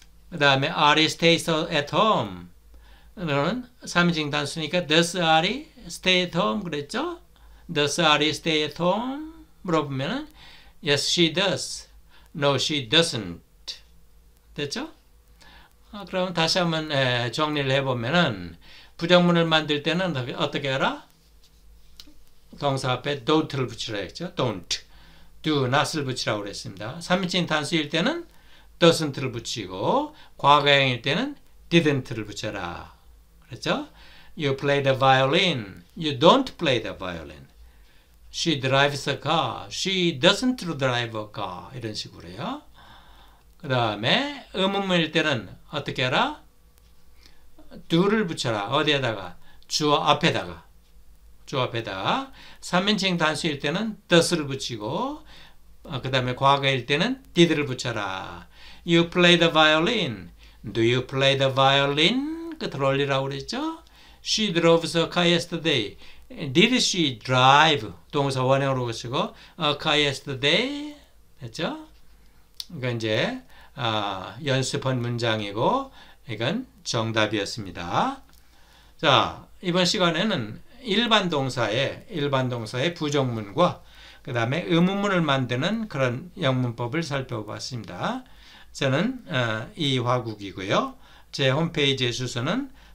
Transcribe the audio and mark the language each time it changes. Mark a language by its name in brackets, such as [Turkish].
[Korean] 그 다음에 [English] Ari stays at home. [Korean] 그러면 3인칭 단수니까 [English] Does Ari stay at home? [Korean] 그랬죠? [English] Does Ari stay at home? [Korean] 물어보면은 [English] Yes, she does. No, she doesn't. [Korean] 됐죠? 그럼 다시 한번 정리를 해보면은 부정문을 만들 때는 어떻게 알아? 동사 앞에 don't를 붙이라 했죠. [English] Don't. [Korean] Do, not을 붙이라고 했습니다. 3인칭 단수일 때는 doesn't를 붙이고 과거형일 때는 didn't를 붙여라. 그렇죠? [English] You play the violin. You don't play the violin. She drives a car. She doesn't drive a car. [Korean] 이런 식으로요. 그 다음에 의문문일 때는 어떻게 알아? do를 붙여라. 어디에다가? 주어 앞에다가. 주어 앞에다가. 3인칭 단수일 때는 does를 붙이고 그 다음에 과거일 때는 did를 붙여라. [English] You play the violin. Do you play the violin? [Korean] 끝을 올리라고 그랬죠? [English] She drove a car yesterday. Did she drive? [Korean] 동사 원형으로 보시고 [English] a car yesterday. [Korean] 됐죠? 이건 이제 연습한 문장이고 이건 정답이었습니다. 자, 이번 시간에는 일반 동사의 부정문과 그 다음에 의문문을 만드는 그런 영문법을 살펴봤습니다. 저는 이화국이고요. 제 홈페이지의 주소는